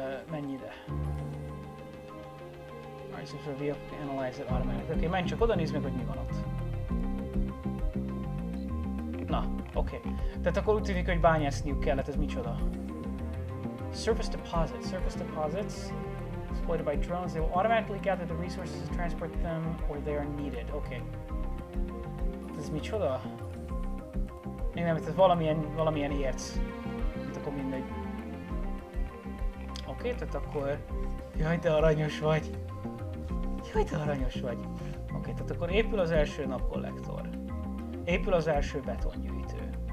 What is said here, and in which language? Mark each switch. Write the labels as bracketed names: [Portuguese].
[Hungarian] Menj ide. [English] Rise of the Analyzer Armament. [Hungarian] Oké, menj csak oda, nézd meg, hogy mi van ott. Na, oké. Okay. Tehát akkor úgy tűnik, hogy bányászniuk kellett, ez micsoda? [English] Surface deposits. Surface deposits. Exploited by drones. They will automatically gather the resources to transport them where they are needed. [Hungarian] Oké. Okay. Ez micsoda? Még nem, tehát valamilyen érc. Hát akkor mindegy. Oké, tehát akkor... Jaj, te aranyos vagy! Jaj, te aranyos vagy! Oké, tehát akkor épül az első napkollektor. Épül az első betongyűjtő.